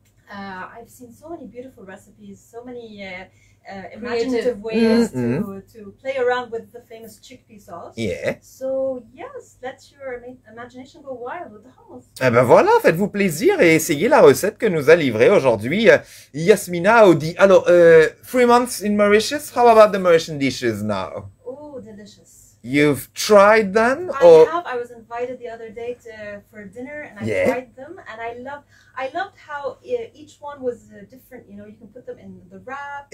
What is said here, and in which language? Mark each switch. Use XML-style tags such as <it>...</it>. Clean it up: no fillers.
<en>I've seen so many beautiful recipes, so many imaginative ways to play around with the famous chickpea sauce. Yeah. So yes, let your imagination go wild with the hummus.</en> <fr>Eh ben voilà, faites-vous plaisir et essayez la recette que nous a livrée aujourd'hui Yasmina Audi.</fr> <en>Alors, 3 months in Mauritius, how about the Mauritian dishes now? Oh, delicious. You've tried them? I was invited the other day for dinner and I tried them and I loved how each one was different. You know, you can put them in the wrap.</en>